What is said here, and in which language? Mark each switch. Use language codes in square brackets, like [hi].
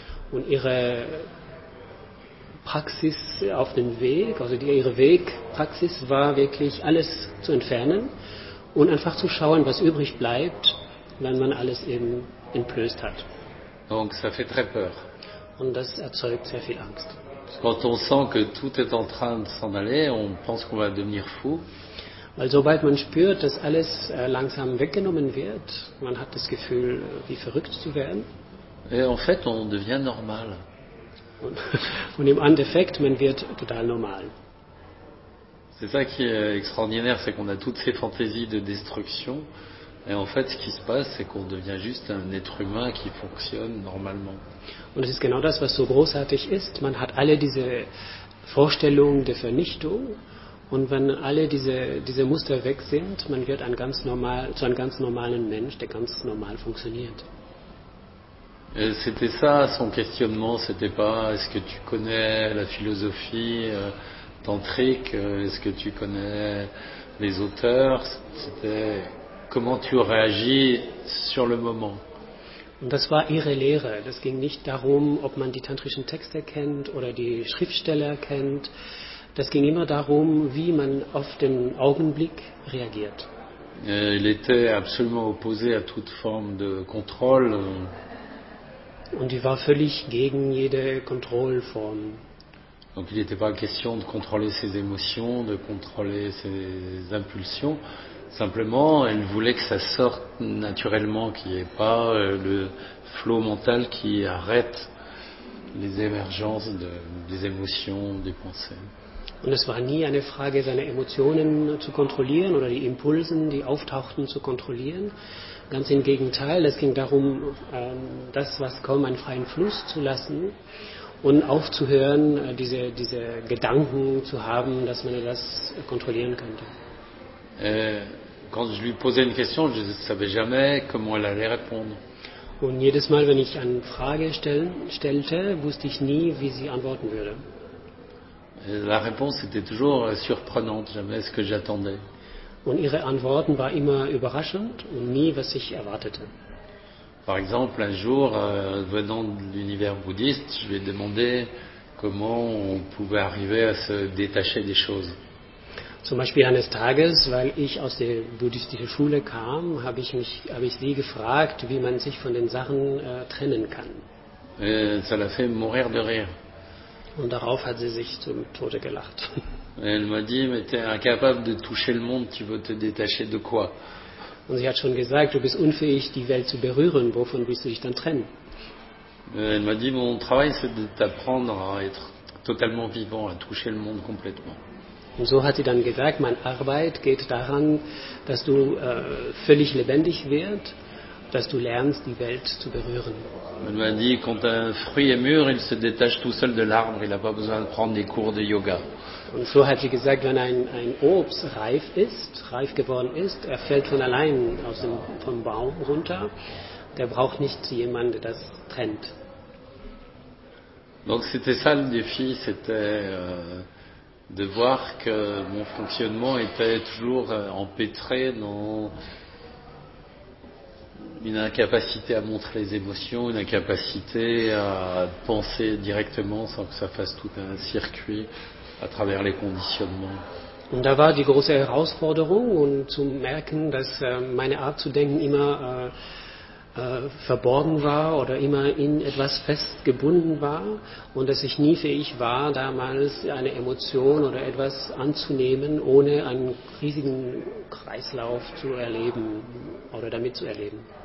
[de] Und ihre Praxis auf den Weg, also ihre Wegpraxis war wirklich alles zu entfernen und einfach zu schauen, was übrig bleibt, wenn man alles eben entblößt hat. [fr] Donc ça fait très peur. [de] Und das erzeugt sehr viel Angst. [fr] Quand on sent que tout est en train de s'en aller, on pense qu'on va devenir fou. [de] Weil sobald man spürt, dass alles langsam weggenommen wird, man hat das Gefühl, wie verrückt zu werden. [fr] Et en fait, on devient normal. [de] Und im Endeffekt, man wird total normal. [fr] C'est ça qui est extraordinaire, c'est qu'on a toutes ces fantaisies de destruction. Et en fait, ce qui se passe, c'est qu'on devient juste un être humain qui fonctionne normalement. [de] Und es ist genau das, was so großartig ist. Man hat alle diese Vorstellungen der Vernichtung. Und wenn alle diese Muster weg sind, man wird zu einem ganz normalen Mensch, der ganz normal funktioniert. [fr] C'était ça son questionnement, c'était pas est-ce que tu connais la philosophie tantrique, est-ce que tu connais les auteurs, c'était comment tu réagis sur le moment. [de] Und das war ihre Lehre. Das ging nicht darum, ob man die tantrischen Texte kennt oder die Schriftsteller kennt. Das ging immer darum, wie man auf den Augenblick reagiert. [fr] Il était absolument opposé à toute forme de contrôle. [de] Und die war völlig gegen jede Kontrollform. [fr] Donc il n'était pas question de contrôler ses émotions, de contrôler ses impulsions. Simplement, elle voulait que ça sorte naturellement, qu'il n'y ait pas le flot mental qui arrête les émergences des émotions, des pensées. [de] Und es war nie eine Frage, seine Emotionen zu kontrollieren oder die Impulsen, die auftauchten, zu kontrollieren. Ganz im Gegenteil, es ging darum, das, was kommt, einen freien Fluss zu lassen und aufzuhören, diese Gedanken zu haben, dass man das kontrollieren könnte. [fr] Quand je lui posais une question, je ne savais jamais comment elle allait répondre. [de] Und jedes Mal, wenn ich eine Frage stellte, wusste ich nie, wie sie antworten würde. [fr] La réponse était toujours surprenante, jamais ce que j'attendais. [de] Und ihre Antworten war immer überraschend und nie, was ich erwartete. [fr] Par exemple, un jour, venant de l'univers bouddhiste, je lui ai demandé comment on pouvait arriver à se détacher des choses. [de] Zum Beispiel eines Tages, weil ich aus der buddhistischen Schule kam, habe ich sie gefragt, wie man sich von den Sachen trennen kann. [fr] Et ça l'a fait mourir de rire. [de] Und darauf hat sie sich zum Tode gelacht. [fr] Elle m'a dit, mais t'es incapable de toucher le monde, tu veux te détacher de quoi? [de] Und sie hat schon gesagt, du bist unfähig, die Welt zu berühren, wovon willst du dich dann trennen? [fr] Elle m'a dit, mon travail, c'est de t'apprendre à être totalement vivant, à toucher le monde complètement. [de] Und so hat sie dann gesagt, meine Arbeit geht daran, dass du völlig lebendig wirst dass du lernst, die Welt zu berühren. [fr] Man m'a dit, quand un fruit est mûr, il se détache tout seul de l'arbre, il n'a pas besoin de prendre des cours de yoga. [de] Und so hat sie gesagt, wenn ein Obst reif geworden ist, er fällt von allein vom Baum runter, der braucht nicht jemanden, der das trennt. [fr] Donc c'était ça le défi, c'était de voir que mon fonctionnement était toujours empêtré dans une incapacité à montrer les émotions, une incapacité à penser directement sans que ça fasse tout un circuit à travers les conditionnements. [de] Und da war die große Herausforderung, und zu merken, dass meine Art zu denken immer verborgen war oder immer in etwas festgebunden war und dass ich nie fähig war, damals eine Emotion oder etwas anzunehmen, ohne einen riesigen Kreislauf zu erleben oder damit zu erleben.